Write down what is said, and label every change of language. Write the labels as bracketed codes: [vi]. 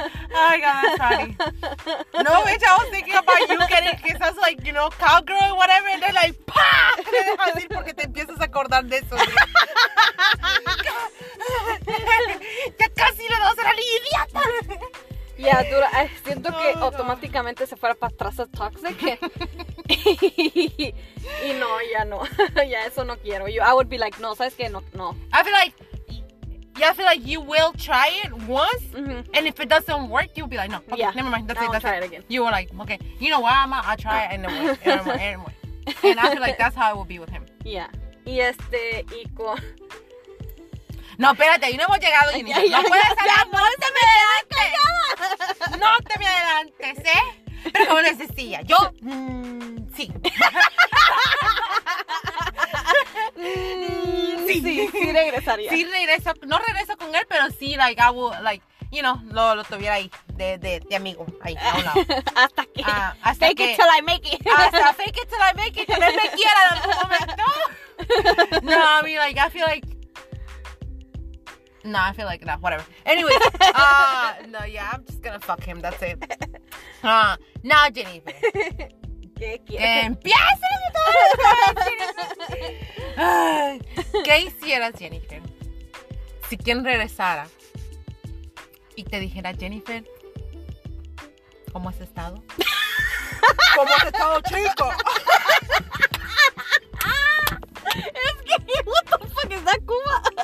[en] No, bitch, I was thinking about you getting kissed. I was like, you know, cowgirl or whatever. And then like, pa! [es] Te dejas ir porque te empiezas a acordar de eso. Ya casi le vas a ser el idiota. Ya, yeah, dura. Siento que automáticamente se fuera para atrás a Toxic. Y no, ya no. Ya eso no quiero. [en] I would be like, no, [es] ¿sabes qué? [en] No, no. I feel like... Yeah, I feel like you will try it once, mm-hmm. and if it doesn't work, you'll be like, no, okay, yeah. Never mind, that's I'll it, that's try it. Again. You were like, okay, you know what, I'm gonna try it, and it works, and it works. And I feel like that's how it will be with him. [es] Yeah. Y este, hijo. No, espérate, y no hemos llegado, ni no puedes hablar, no te me adelantes. No te me adelantes, ¿eh? Pero como les decía, yo, sí. Sí, sí regresaría. Sí regreso, no regreso con él, pero sí, like, [en] I would, like, you know, [es] lo tuviera ahí, de amigo, ahí, a un lado. Hasta que, hasta [en] fake que, it till I make it. Hasta fake it till I make it, [es] que él me quiera en algún momento. [en] No, I mean, like, I feel like, no, I feel like, no, whatever. Anyway, no, yeah, I'm just gonna fuck him, that's it. [es] No, Jennifer. ¿Qué quieres? ¡Empieza el motor! ¿Qué hicieras, Jennifer? Si quien regresara y te dijera, Jennifer, ¿cómo has estado? ¿Cómo has estado, chico? Es que, [en] what the fuck is that, [es] Cuba?